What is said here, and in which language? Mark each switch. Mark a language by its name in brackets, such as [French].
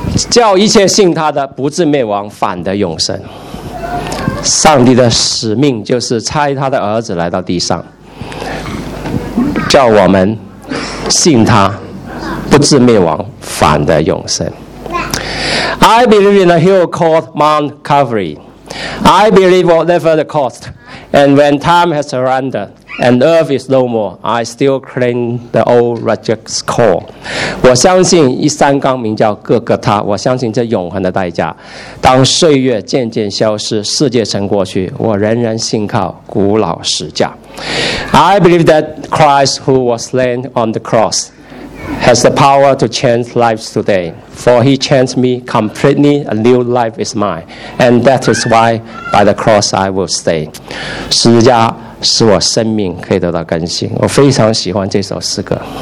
[Chinese] 叫一切信他的不至灭亡，反得永生。上帝的使命就是差他的儿子来到地上，叫我们信他，不至灭亡，反得永生。 [English] I believe in a hill called Mount Calvary. I believe whatever the cost, and when time has surrendered and earth is no more, I still claim the old Roger's call. [Chinese] 我相信一山冈名叫哥哥他，我相信这永恒的代价。当岁月渐渐消失，世界成过去，我仍然信靠古老十架。 [English] I believe that Christ who was slain on the cross. Has the power to change lives today. For he changed me completely, a new life is mine. And that is why by the cross I will stay. [Chinese] 十字架使我生命可以得到更新。我非常喜欢这首诗歌。